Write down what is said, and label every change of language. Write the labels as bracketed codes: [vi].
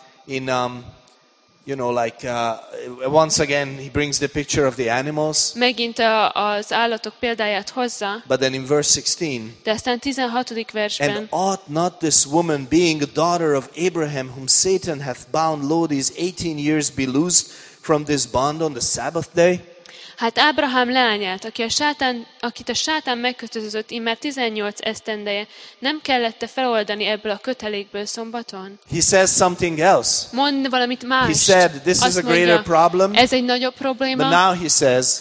[en] You know, like once again, he brings the picture of the animals. [hu] Megint az állatok példáját hozza. [en] But then in verse 16. [hu] De aztán 16. versben. [en] And ought not this woman, being a daughter of Abraham, whom Satan hath bound low these 18 years, be loosed from this bond on the Sabbath day? [hu] Hát Ábrahám leányát, akit a sátán megkötözött immár 18 esztendeje, nem kellette feloldani ebből a kötelékből szombaton. [en] He says something else. [hu] Mond valamit mást. [en] He said, this is a greater problem. [hu] Ez egy nagyobb probléma. [en] But now he says,